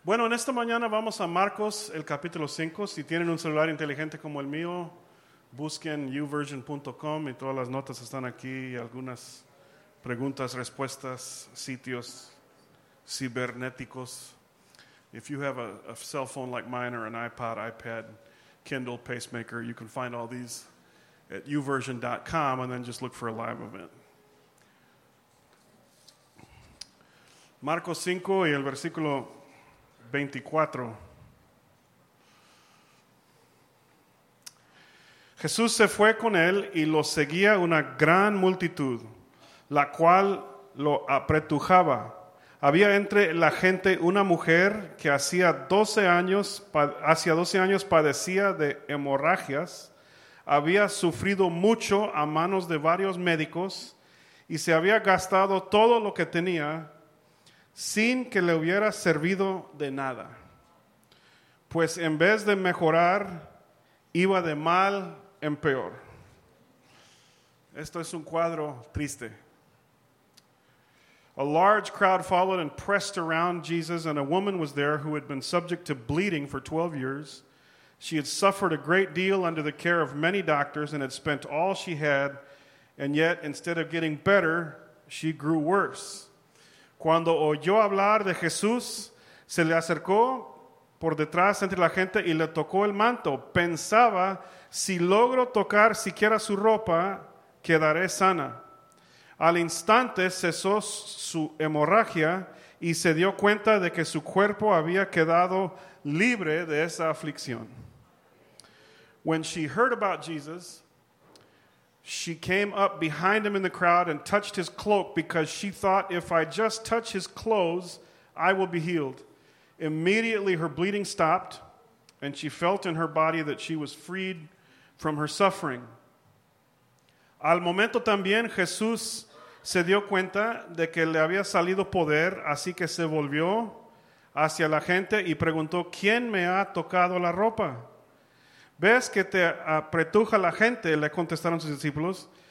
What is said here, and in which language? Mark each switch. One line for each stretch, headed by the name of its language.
Spanish: Bueno, en esta mañana vamos a Marcos, el capítulo 5. Si tienen un celular inteligente como el mío, busquen youversion.com y todas las notas están aquí, algunas preguntas, respuestas, sitios cibernéticos.
English: If you have a cell phone like mine or an iPod, iPad, Kindle, pacemaker, you can find all these at youversion.com and then just look for a live event.
Spanish: Marcos 5 y el versículo 24. Jesús se fue con él y lo seguía una gran multitud, la cual lo apretujaba. Había entre la gente una mujer que hacía 12 años padecía de hemorragias, había sufrido mucho a manos de varios médicos y se había gastado todo lo que tenía sin que le hubiera servido de nada. Pues en vez de mejorar, iba de mal en peor. Esto es un cuadro triste.
English: A large crowd followed and pressed around Jesus, and a woman was there who had been subject to bleeding for 12 years. She had suffered a great deal under the care of many doctors and had spent all she had, and yet instead of getting better, she grew worse.
Spanish: Cuando oyó hablar de Jesús, se le acercó por detrás entre la gente y le tocó el manto. Pensaba, si logro tocar siquiera su ropa, quedaré sana. Al instante cesó su hemorragia y se dio cuenta de que su cuerpo había quedado libre de esa aflicción.
English: When she heard about Jesus, she came up behind him in the crowd and touched his cloak because she thought, if I just touch his clothes, I will be healed. Immediately her bleeding stopped and she felt in her body that she was freed from her suffering.
Spanish: Al momento también Jesús se dio cuenta de que le había salido poder, así que se volvió hacia la gente y preguntó, ¿quién me ha tocado la ropa? ¿Ves que te apretuja la gente? Le contestaron sus discípulos.